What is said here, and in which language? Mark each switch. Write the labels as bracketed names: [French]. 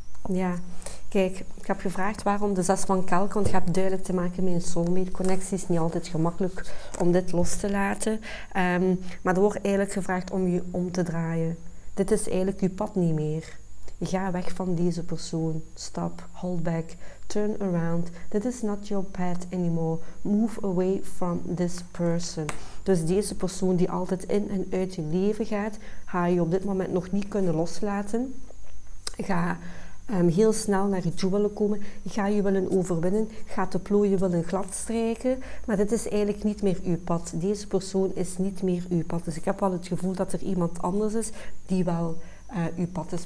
[Dutch] Ja, kijk, ik heb gevraagd waarom de zes van kelken, want je hebt duidelijk te maken met een soulmate-connectie. Het is niet altijd gemakkelijk om dit los te laten. Maar er wordt eigenlijk gevraagd om je om te draaien. Dit is eigenlijk je pad niet meer. Ga weg van deze persoon. [English] Stop, hold back, turn around. This is not your path anymore. Move away from this person. [Dutch] Dus deze persoon die altijd in en uit je leven gaat, ga je op dit moment nog niet kunnen loslaten. Ga heel snel naar je toe willen komen. Ga je willen overwinnen. Ga de plooien willen gladstrijken. Maar dit is eigenlijk niet meer uw pad. Deze persoon is niet meer uw pad. Dus ik heb wel het gevoel dat er iemand anders is die wel uw pad is.